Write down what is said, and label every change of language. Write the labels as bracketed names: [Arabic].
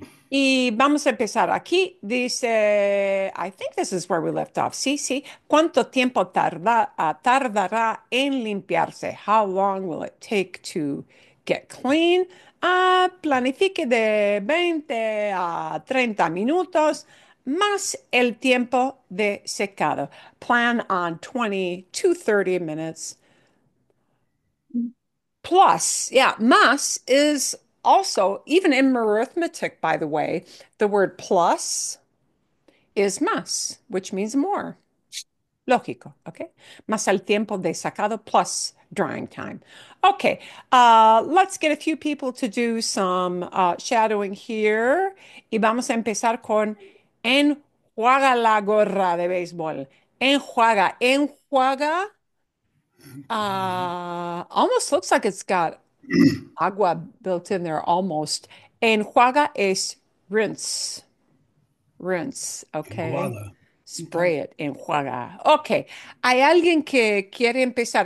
[Spanish] Y vamos a empezar aquí. Dice, [English] I think this is where we left off. [Spanish] Sí. ¿Cuánto tiempo tardará en limpiarse? [English] How long will it take to get clean? [Spanish] Planifique de 20 a 30 minutos más el tiempo de secado. [English] Plan on 20 to 30 minutes. Plus, yeah, [Spanish] más [English] is also, even in arithmetic, by the way, the word plus is más, which means more. [Spanish] Lógico, okay? Más el tiempo de secado [English] plus drying time. Okay, let's get a few people to do some shadowing here. [Spanish] Y vamos a empezar con enjuaga la gorra de béisbol. Enjuaga. [English] Almost looks like it's got agua built in there almost. [Spanish] Enjuaga es rinse. Rinse, okay. Enjuaga. [English] Spray it, [Spanish] enjuaga. Okay. ¿Hay alguien que quiere empezar?